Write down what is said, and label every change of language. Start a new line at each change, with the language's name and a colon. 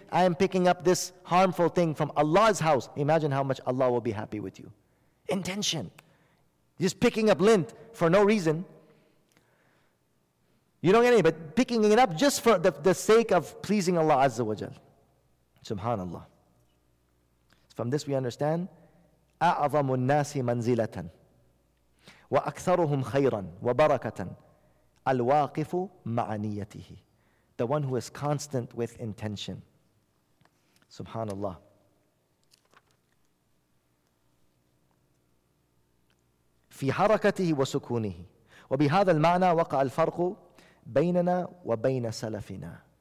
English: I am picking up this harmful thing from Allah's house. Imagine how much Allah will be happy with you. Intention. Just picking up lint for no reason. You don't get any, but picking it up just for the sake of pleasing Allah Azza wa Jal. Subhanallah. From this we understand,
Arabic: أَعْظَمُ النَّاسِ مَنْزِلَةً وَأَكْثَرُهُمْ خَيْرًا وَبَرَكَةً الْوَاقِفُ مَعَنِيَّتِهِ.
English: The one who is constant with intention. Subhanallah.
Arabic: فِي حَرَكَتِهِ وَسُكُونِهِ وَبِهَذَا الْمَعْنَى وَقَعَ الْفَرْقُ بَيْنَنَا وَبَيْنَ سَلَفِنَا.